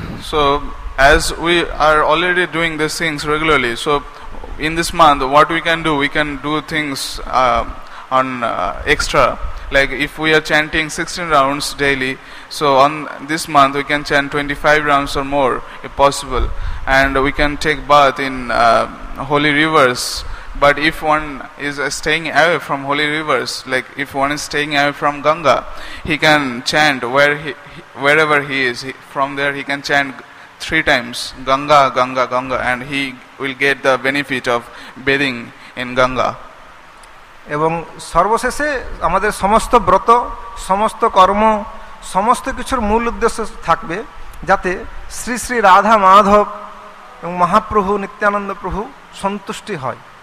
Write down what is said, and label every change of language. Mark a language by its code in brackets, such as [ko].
[en] So as we are already doing this things regularly, so in this month what we can do, we can do things on extra, like if we are chanting 16 rounds daily, so on this month we can chant 25 rounds or more if possible, and we can take bath in holy rivers. But if one is staying away from holy rivers, like if one is staying away from Ganga, he can chant wherever he is. From there he can chant 3 times, Ganga, Ganga, Ganga, and he will get the benefit of bathing in Ganga. [bn] এবং সর্বশেষে আমাদের সমস্ত ব্রত, সমস্ত কর্ম, সমস্ত কিছুর মূল উদ্দেশ্য থাকবে যাতে শ্রী শ্রী রাধা মাধব এবং মহাপ্রভু নিত্যানন্দ প্রভু সন্তুষ্টি হয়।